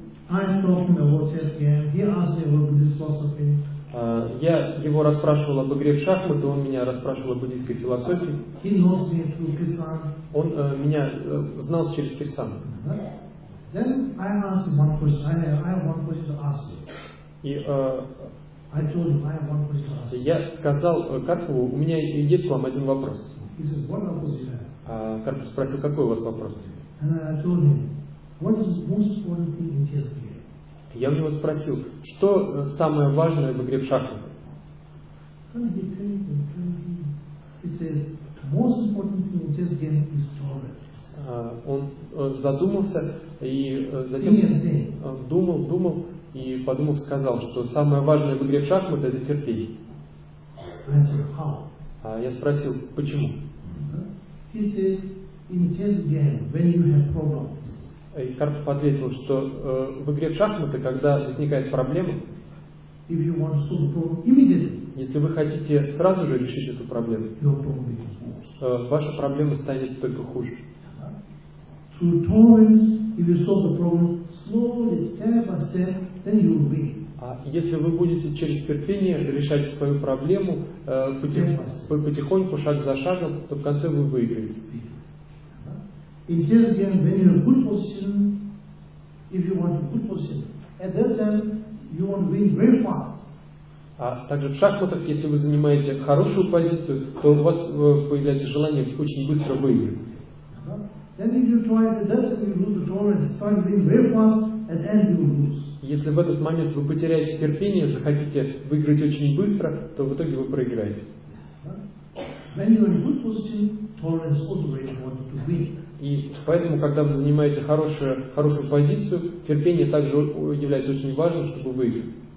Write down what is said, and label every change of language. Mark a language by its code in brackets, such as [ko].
[en] I'm talking about chess game. He asked me about this philosophy. [ru] Я его расспрашивал об игре в шахматы, он меня расспрашивал о буддийской философии. Он меня знал через кирсану. [en] Then I asked one question. I have one question to ask you. I told him I have one question to ask you. [ru] Я сказал Карпову, у меня есть к вам один вопрос. [en] He says, what question do you have? [ru] Карпов спросил, какой у вас вопрос? [en] And I told him, what is the most important thing in chess game? [ru] Я у него спросил, что самое важное в игре в шахматы? [en] He says, most important thing in chess game is tolerance. [ru] Он задумался и затем думал и подумав сказал, что самое важное в игре в шахматы — это терпение. [en] I said, how? [ru] Я спросил, почему? [en] He says, in chess game, when you have problems. [ru] И Карпов ответил, что в игре в шахматы, когда возникает проблема, [en] if you want to solve the problem immediately, [ru] если вы хотите сразу же решить эту проблему, [en] your problem becomes worse. [ru] Ваша проблема станет только хуже. [en] Through tolerance, if you solve the problem slowly, step by step, then you will win. [ru] А если вы будете через терпение решать свою проблему потихоньку, шаг за шагом, то в конце вы выиграете. [en] In chess game, when you're in a good position, if you want a good position, at that time you want to win very fast. [ru] А также в шахматах, если вы занимаете хорошую позицию, то у вас появляется желание очень быстро выиграть. [en] Then if you try to that time you lose the tolerance, try to win very fast, at the end you will lose. [ru] Если в этот момент вы потеряете терпение, захотите выиграть очень быстро, то в итоге вы проиграете. [en] When you're in good position, tolerance also very important to win. [ru] И поэтому, когда вы занимаете хорошую позицию, терпение также является очень важным, чтобы выиграть.